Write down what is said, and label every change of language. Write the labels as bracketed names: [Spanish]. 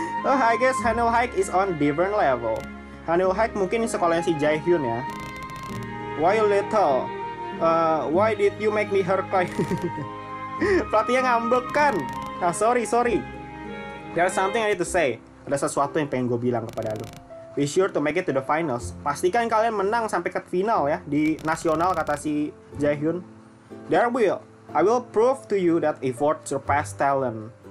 [English] Oh hi guys, Hanul Haik is on different level. Hanul Haik [Indonesian] mungkin sekolahnya si Jaehyun ya. [English] Why you little? Why did you make me hurt cry? [Indonesian] Pelatihnya ngambek kan? [English] Ah, sorry. There's something I need to say. [Indonesian] Ada sesuatu yang pengen gue bilang kepada lo. [English] Be sure to make it to the finals. [Indonesian] Pastikan kalian menang sampai ke final ya. Di nasional kata si Jaehyun. [English] There will. I will prove to you that effort surpass talent.